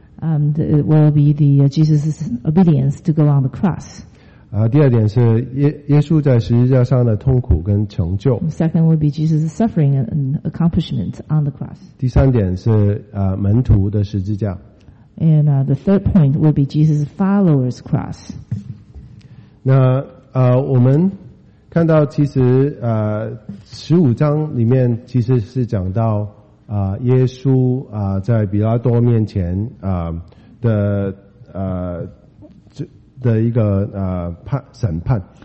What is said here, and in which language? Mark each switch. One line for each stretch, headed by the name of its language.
English: It will be the Jesus' obedience to go on the cross.
Chinese: 第二点是耶稣在十字架上的痛苦跟成就。
English: Second would be Jesus' suffering and accomplishment on the cross.
Chinese: 第三点是门徒的十字架。
English: And the third point would be Jesus' followers' cross.
Chinese: 那我们看到其实十五章里面其实是讲到耶稣在比拉多面前的一个审判。